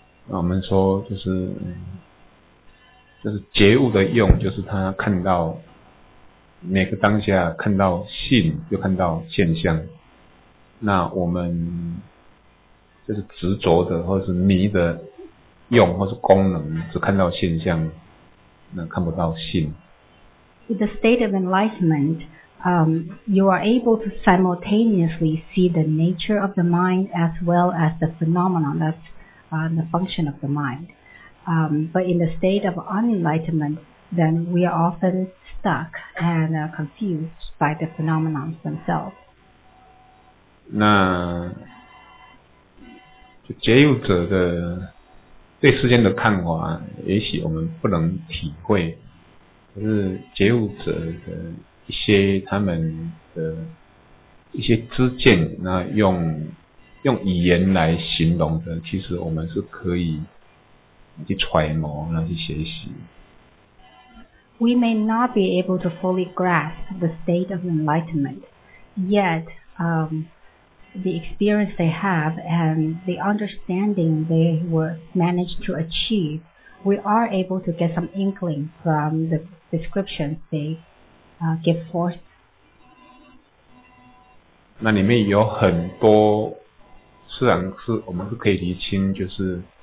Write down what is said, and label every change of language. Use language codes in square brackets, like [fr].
[zh] 我们说就是觉悟的用，就是他看到每个当下看到性又看到现象。那我们就是执着的或是迷的用或是功能，只看到现象，那看不到性。 [en] In the state of enlightenment,you are able to simultaneously see the nature of the mind as well as the phenomenon, that's the function of the mind. But in the state of unenlightenment, then we are often stuck and confused by the phenomenon themselves. [zh] 那觉悟者的对世间的看法也许我们不能体会，可是觉悟者的一些他们的一些知见，那用语言来形容的，其实我们是可以去揣摩，那去学习。 [en] We may not be able to fully grasp the state of enlightenment, yet, the experience they have and the understanding they were managed to achieve, we are able to get some inkling from the descriptions they give forth. [zh] 那里面有很多虽然是我们是可以厘清，就是